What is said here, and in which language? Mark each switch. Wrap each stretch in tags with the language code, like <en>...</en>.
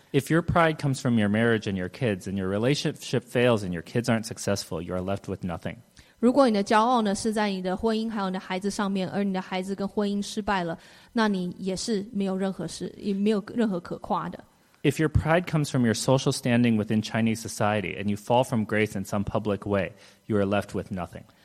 <en>If your pride comes from your marriage and your kids, and your relationship fails and your kids aren't successful, you are left with nothing.</en> <zh>如果你的骄傲呢是在你的婚姻还有你的孩子上面，而你的孩子跟婚姻失败了，那你也是没有任何事，也没有任何可夸的。</zh> <en>If your pride comes from your social standing within Chinese society and you fall from grace in some public way, you are left with nothing.</en>